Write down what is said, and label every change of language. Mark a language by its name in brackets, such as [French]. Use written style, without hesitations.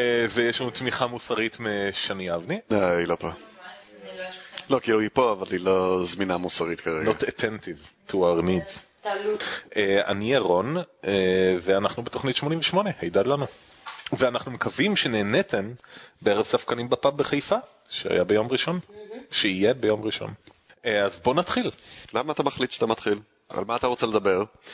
[Hebrew] ויש לנו תמיכה מוסרית משני אבני. היא לא פה. לא, כי היא פה, אבל היא לא זמינה מוסרית כרגע. [English] Not attentive to our needs. [Hebrew] אני ירון, ואנחנו בתוכנית 88, הידד לנו. ואנחנו מקווים שנהנתם בערב ספקנים בפאב בחיפה, שהיה ביום ראשון, שיהיה ביום ראשון. אז בוא נתחיל. למה אתה מחליט שאתה מתחיל? על מה אתה רוצה לדבר?